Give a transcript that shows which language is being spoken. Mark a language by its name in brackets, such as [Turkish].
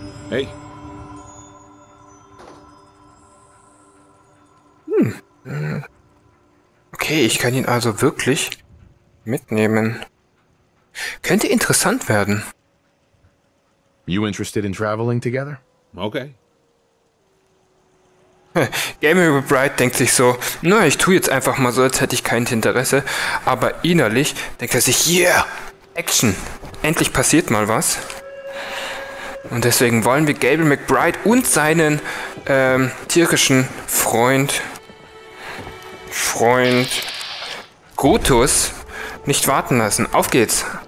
[English] Hey. [German] Okay, ich kann ihn also wirklich mitnehmen. Könnte interessant werden. [English] You interested in traveling together? Okay. [German] Gabriel McBride denkt sich so, naja, ich tue jetzt einfach mal so, als hätte ich kein Interesse. Aber innerlich denkt er sich, yeah, Action. Endlich passiert mal was. Und deswegen wollen wir Gabriel McBride und seinen tierischen Freund Grotus nicht warten lassen. Auf geht's.